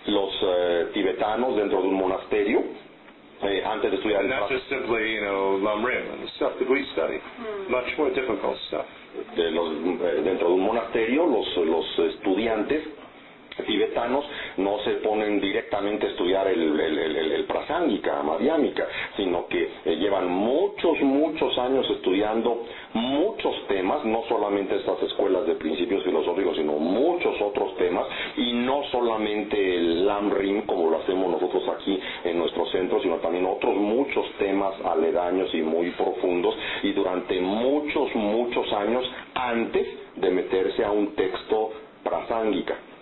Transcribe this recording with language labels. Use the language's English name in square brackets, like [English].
[Spanish] Los tibetanos dentro de un monasterio, antes de estudiar el [English] Not just simply, you know, Lam Rim and the stuff that we study, much more difficult stuff. [Spanish] Dentro de un monasterio, los estudiantes tibetanos no se ponen directamente a estudiar el prasángica, madhyámica, sino que llevan muchos, muchos años estudiando muchos temas, no solamente estas escuelas de principios filosóficos, sino muchos otros temas, y no solamente el Lam Rim, como lo hacemos nosotros aquí en nuestro centro, sino también otros muchos temas aledaños y muy profundos, y durante muchos, muchos años antes de meterse a un texto prasángica.